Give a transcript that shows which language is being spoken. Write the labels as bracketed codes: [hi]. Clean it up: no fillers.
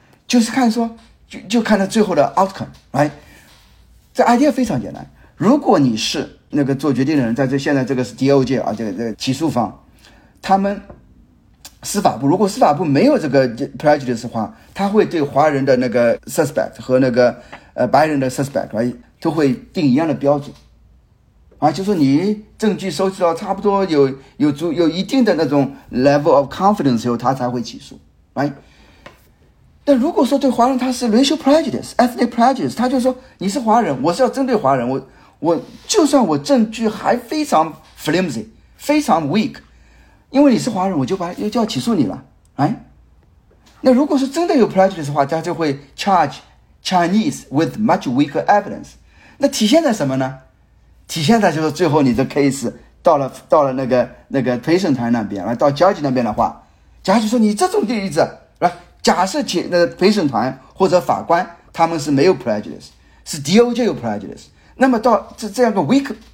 [zh] 就是看说，就看他最后的 outcome，right？ 这 idea 非常简单，如果你是那个做决定的人，在现在这个是 DOJ 啊，这个起诉方，他们司法部，如果司法部没有这个 prejudice 的话，他会对华人的那个 suspect 和那个白人的 suspect 都会定一样的标准，啊，就说你证据收集到差不多有一定的那种 [en] level of confidence [zh] 以后，他才会起诉，哎。但如果说对华人他是 racial prejudice、ethnic prejudice，他就说你是华人，我是要针对华人，我就算我证据还非常 flimsy、非常 weak，因为你是华人，我就要起诉你了，哎。那如果是真的有 prejudice 的话，他就会 [en] charge Chinese with much weaker evidence。 [zh] 那体现在什么呢？体现在就是最后你的 case 到了那个陪审团那边，来到 judge 那边的话，judge 说你这种例子来。假设陪审团或者法官他们是没有 prejudice，是 DOJ 有 prejudice，那么到这样个 weak